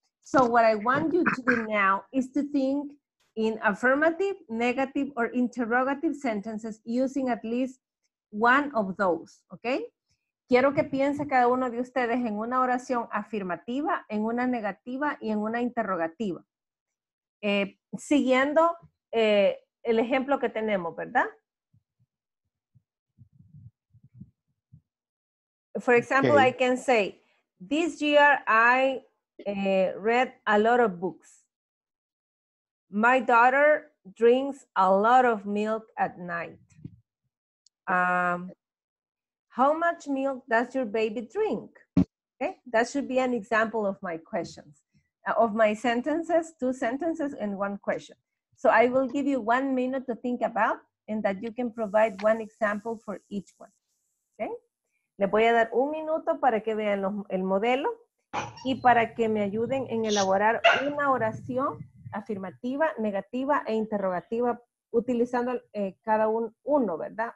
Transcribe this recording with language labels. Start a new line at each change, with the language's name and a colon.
English: So what I want you to do now is to think in affirmative, negative, or interrogative sentences using at least one of those, okay?
Spanish: Quiero que piense cada uno de ustedes en una oración afirmativa, en una negativa, y en una interrogativa. Siguiendo el ejemplo que tenemos, ¿verdad?
English: For example, okay. I can say, this year I read a lot of books. My daughter drinks a lot of milk at night. How much milk does your baby drink? Okay, that should be an example of my questions, of my sentences, two sentences and one question. So I will give you 1 minute to think about and that you can provide one example for each one, okay?
Spanish: Les voy a dar un minuto para que vean el modelo y para que me ayuden en elaborar una oración afirmativa, negativa e interrogativa utilizando cada uno, ¿verdad?